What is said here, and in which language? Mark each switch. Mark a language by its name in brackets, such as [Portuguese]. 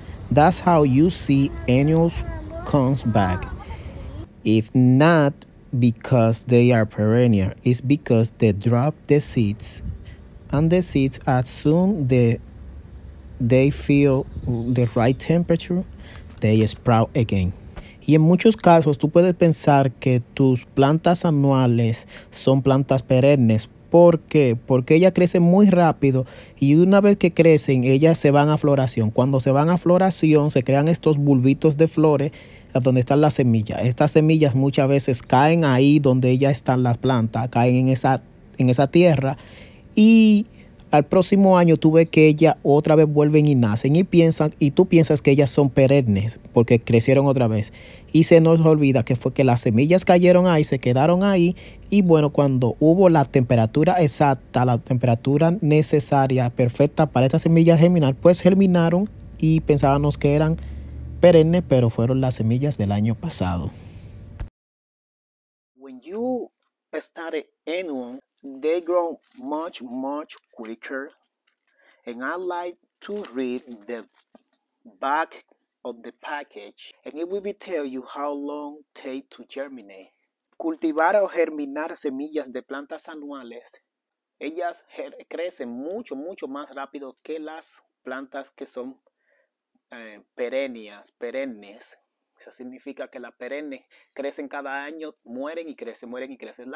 [English] That's how you see annuals comes back. If not because they are perennial, it's because they drop the seeds, and the seeds, as soon they feel the right temperature, they sprout again. [Spanish] Y en muchos casos tú puedes pensar que tus plantas anuales son plantas perennes. ¿Por qué? Porque ellas crecen muy rápido, y una vez que crecen, ellas se van a floración. Cuando se van a floración, se crean estos bulbitos de flores donde están las semillas. Estas semillas muchas veces caen ahí donde ya están las plantas, caen en esa tierra, y al próximo año tú ves que ellas otra vez vuelven y nacen, y piensan, y tú piensas que ellas son perennes porque crecieron otra vez, y se nos olvida que fue que las semillas cayeron ahí, se quedaron ahí, y bueno, cuando hubo la temperatura exacta, la temperatura necesaria, perfecta para estas semillas germinar, pues germinaron, y pensábamos que eran perenne, pero fueron las semillas del año pasado. [English] When you start annual, they grow much, much quicker. And I like to read the back of the package, and it will tell you how long it takes to germinate. [Spanish] Cultivar o germinar semillas de plantas anuales, ellas crecen mucho, mucho más rápido que las plantas que son perennes. Eso significa que las perennes crecen cada año, mueren y crecen, mueren y crecen.